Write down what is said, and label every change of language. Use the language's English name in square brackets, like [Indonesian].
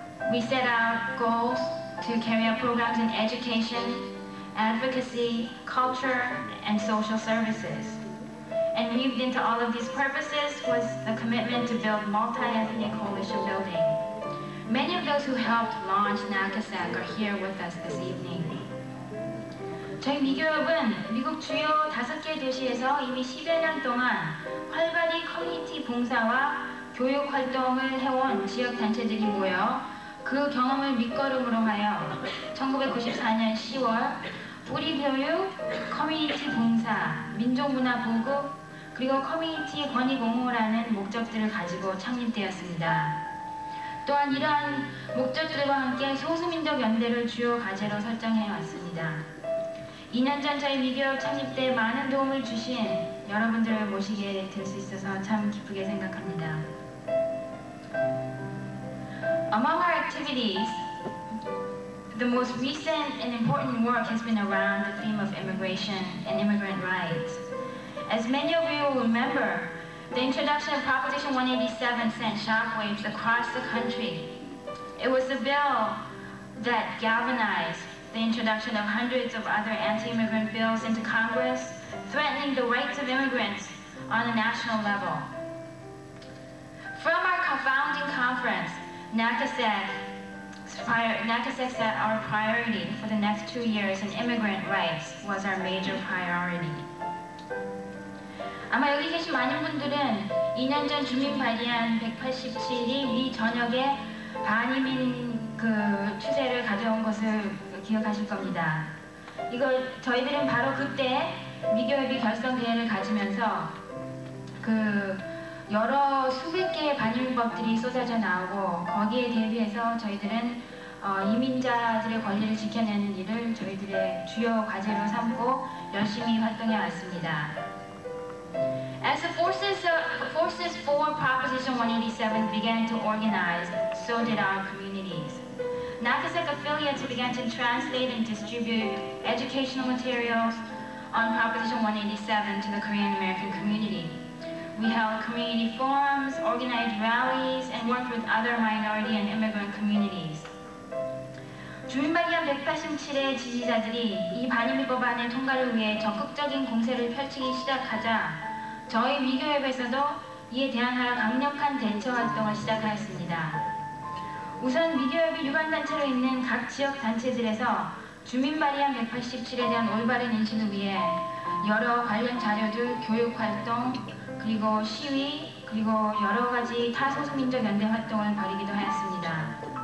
[English] We set out goals to carry out programs in education, advocacy, culture, and social services. And weaved into all of these purposes was the commitment to build multi-ethnic coalition building. Many of those who helped launch NACASAC are here with us this evening. [Korean] 저희 미교육은 미국 주요 5개 도시에서 이미 10여 년 동안 활발히 커뮤니티 봉사와 교육 활동을 해온 지역 단체들이 모여 그 경험을 밑거름으로 하여 1994년 10월 뿌리 교육, 커뮤니티 봉사, 민족문화 보급, 그리고 커뮤니티 권익 옹호라는 목적들을 가지고 창립되었습니다. 또한 이러한 목적들과 함께 소수민족 연대를 주요 과제로 설정해 왔습니다. 2년 전 저희 미교육 창립 때 많은 도움을 주신 여러분들을 모시게 될 수 있어서 참 기쁘게 생각합니다. [English] Among our activities, the most recent and important work has been around the theme of immigration and immigrant rights. As many of you will remember, the introduction of Proposition 187 sent shockwaves across the country. It was a bill that galvanized the introduction of hundreds of other anti-immigrant bills into Congress, threatening the rights of immigrants on a national level. From our founding conference, NACASEC said our priority for the next 2 years in immigrant rights was our major priority. [Korean] 아마 여기 계신 많은 분들은 2년 전 주민 발의안 187이 미 전역에 반이민 그 추세를 가져온 것을 기억하실 겁니다. 이거 저희들은 바로 그때 미교협의 결성 대회를 가지면서 그 여러 수백 개의 반일법들이 쏟아져 나오고 거기에 대비해서 저희들은 이민자들의 권리를 지켜내는 일을 저희들의 주요 과제로 삼고 열심히 활동해 왔습니다. [English] As the forces for Proposition 187 began to organize, so did our communities. NACASEC affiliates began to translate and distribute educational materials on Proposition 187 to the Korean American community. We held community forums, organized rallies, and worked with other minority and immigrant communities. [Korean] 주민발의안 187의 지지자들이 이 반일법안의 통과를 위해 적극적인 공세를 펼치기 시작하자 저희 미교협에서도 이에 대항하여 강력한 대처 활동을 시작하였습니다. 우선 미교협이 유관단체로 있는 각 지역 단체들에서 주민발의안 187에 대한 올바른 인식을 위해 여러 관련 자료들, 교육활동, 그리고 시위, 그리고 여러 가지 타소수민족 연대 활동을 벌이기도 하였습니다.